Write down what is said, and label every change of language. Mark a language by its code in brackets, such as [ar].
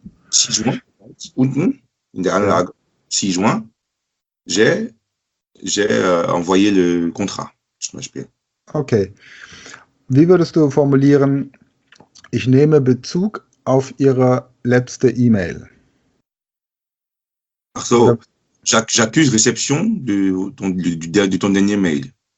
[fr] 6 juin, [de] unten, in der Anlage, [fr] 6 juin, j'ai envoyé le contrat, [de] zum Beispiel. Ok. Wie würdest du formulieren, ich nehme Bezug auf Ihre letzte E-Mail? Ach so, [fr] j'accuse réception de ton dernier mail.